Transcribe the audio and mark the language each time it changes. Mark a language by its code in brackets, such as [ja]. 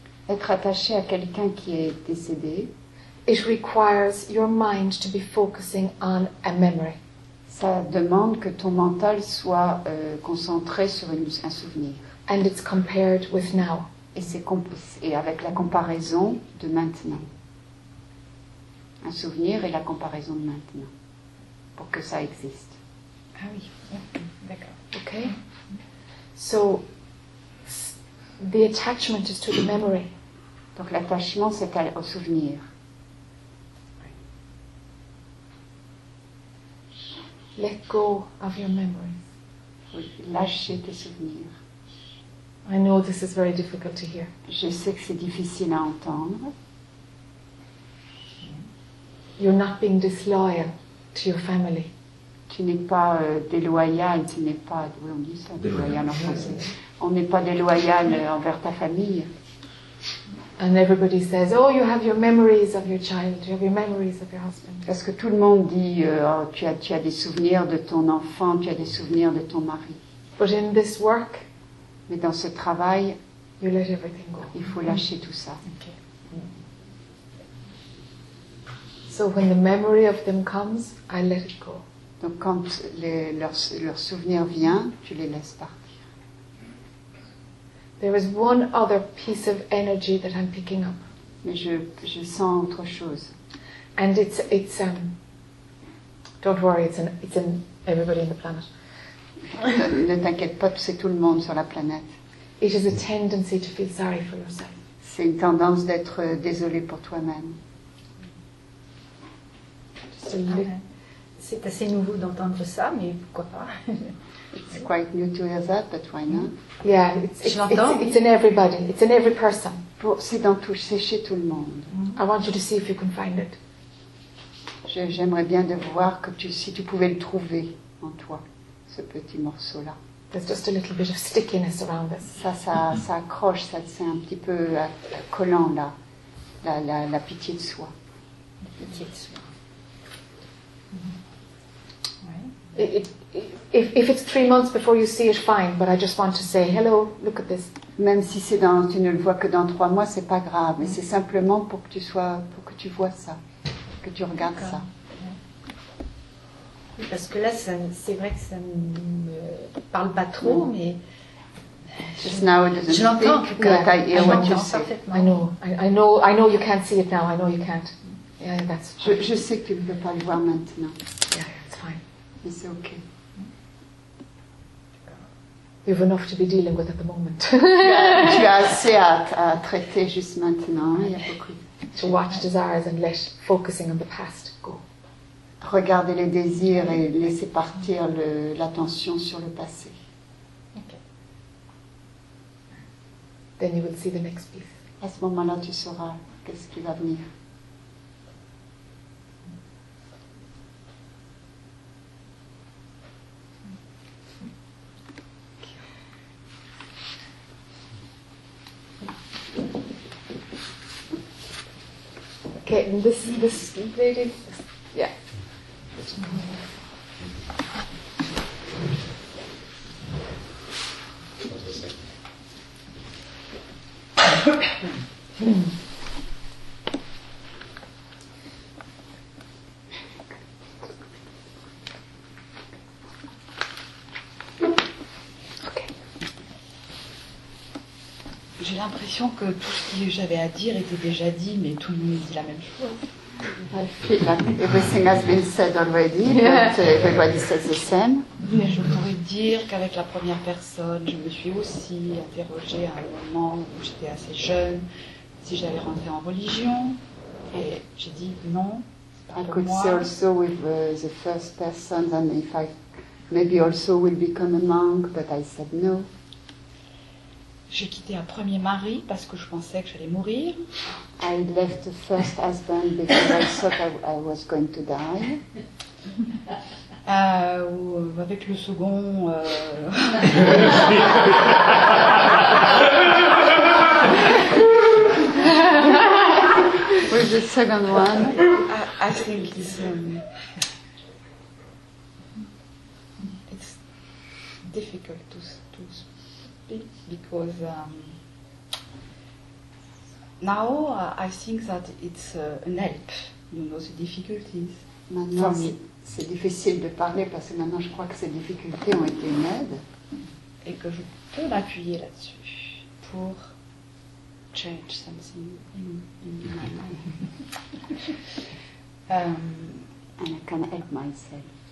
[fr] être attaché à quelqu'un qui est décédé, [en] it requires your mind to be focusing on a memory. [fr] Ça demande que ton mental soit concentré sur un souvenir. [en] And it's compared with now. [fr] Et avec la comparaison de maintenant. un souvenir et la comparaison de maintenant, pour que ça existe. Ah oui, d'accord. [en] Ok. So, the attachment is to the memory. [fr] Donc l'attachement, c'est au souvenir. [en] Let go of your memories. [fr] Lâcher tes souvenirs. [en] I know this is very difficult to hear. [fr] Je sais que c'est difficile à entendre. [en] You're not being disloyal to your family. [fr] Tu n'es pas déloyal, tu n'es pas... Oui, on dit ça, déloyal en français. On n'est pas déloyal envers ta famille. [en] And everybody says, oh, you have your memories of your child, you have your memories of your husband. [fr] Parce que tout le monde dit, oh, tu as des souvenirs de ton enfant, tu as des souvenirs de ton mari. [en] But in this work, [fr] mais dans ce travail, [en] you let everything go. [fr] Il faut lâcher tout ça. [en] Okay. So when the memory of them comes, I let it go. [fr] Donc quand leur souvenir vient, tu les laisses partir. [en] There is one other piece of energy that I'm picking up. [fr] Mais je sens autre chose. [en] And it's don't worry, it's in everybody on the planet. [fr] Ne t'inquiète pas, c'est tout le monde sur la planète. [en] It is a tendency to feel sorry for yourself. [fr] C'est une tendance d'être désolé pour toi-même. C'est assez nouveau d'entendre ça, mais pourquoi pas. [en] It's quite new to hear that, but why not? Yeah, it's in everybody. It's in every person. [fr] C'est chez tout le monde. [en] I want you to see if you can find it. [fr] J'aimerais bien de voir si tu pouvais le trouver en toi, ce petit morceau-là. [en] There's just a little bit of stickiness around this. [fr] Ça accroche, ça, c'est un petit peu collant, là. La pitié de soi. La pitié de soi. [en] If it's 3 months before you see it, fine. But I just want to say hello. Look at this. [fr] Même si tu ne le vois que dans 3 mois, c'est pas grave. Mais c'est simplement pour que tu vois ça, que tu regardes ça. [en] Yeah. [fr] Parce que là, ça, c'est vrai que ça me parle pas trop, mais [en] just now it doesn't. I know you can't see it now. I know you can't. Yeah, that's. Perfect. [fr] Je sais que tu ne peux pas le voir maintenant. [en] Yeah, it's fine. [fr] Mais c'est ok. [en] You have enough to be dealing with at the moment. [fr] Tu as assez à traiter juste maintenant. Il y a beaucoup. [en] To watch desires and let focusing on the past go. [fr] Regarder les désirs et laisser partir l'attention sur le passé. [en] Okay. Then you will see the next piece. [fr] À ce moment-là, tu sauras qu'est-ce qui va venir. [en] Okay, and this lady, yeah. Okay. [fr] J'ai l'impression que tout ce que j'avais à dire était déjà dit, mais tout le monde dit la même chose. [en] I feel like everything has been said already, but everybody says the same. [fr] Mais je pourrais dire qu'avec la première personne, je me suis aussi interrogée à un moment où j'étais assez jeune, si j'allais rentrer en religion, et j'ai dit non, c'est pas pour moi. [en] I could say also with the first person, and if I maybe also will become a monk, but I said no. [fr] J'ai quitté un premier mari parce que je pensais que j'allais mourir. [en] I left the first husband because I thought I was going to die. [fr] Avec le second. [en] With the second one, I think it's difficult to speak. Because now I think that it's an help, you know, the difficulties. Maintenant, for me. [fr] C'est difficile de parler parce que maintenant je crois que ces difficultés ont été une aide. Et que je peux m'appuyer là-dessus pour [en] change something in my life. And I can help myself.